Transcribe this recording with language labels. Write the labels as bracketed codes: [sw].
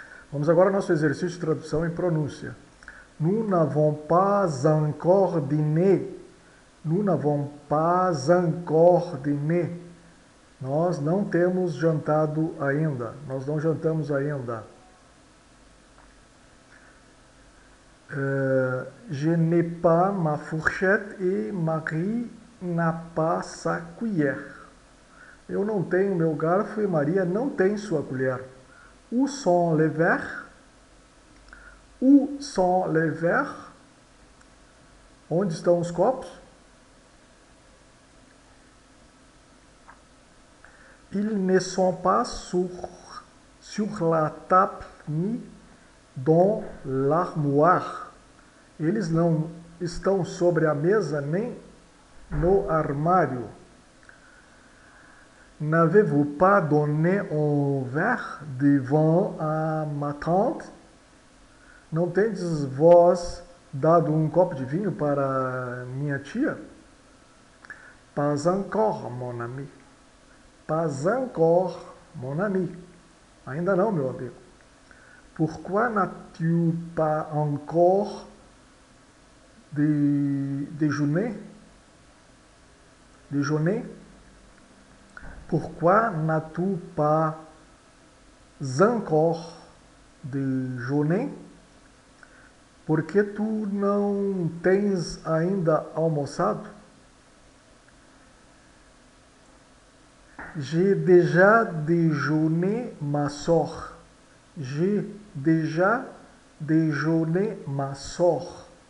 [pt] Vamos agora ao nosso exercício de tradução e pronúncia. [fr] Nous n'avons pas encore dîné. Nous n'avons pas encore dîné. [pt] Nós não temos jantado ainda. Nós não jantamos ainda. [fr] Je n'ai pas ma fourchette et Marie n'a pas sa cuillère. [pt] Eu não tenho meu garfo e Maria não tem sua colher. [fr] Où sont les verres? Où sont les verres? [pt] Onde estão os copos? [fr] Ils ne sont pas sur la table ni dans l'armoire. [pt] Eles não estão sobre a mesa nem no armário. [fr] N'avez-vous pas donné un verre de vin à ma tante? [pt] Não tendes vós dado um copo de vinho para minha tia? [fr] Pas encore, mon ami. Pas encore, mon ami. [pt] Ainda não, meu amigo. [fr] Pourquoi n'as-tu pas encore déjeuné? Déjeuné? Pourquoi n'as-tu pas encore déjeuné? [pt] Por que tu não tens ainda almoçado? [fr] J'ai déjà déjeuné ma sœur. J'ai déjà déjeuné ma sœur.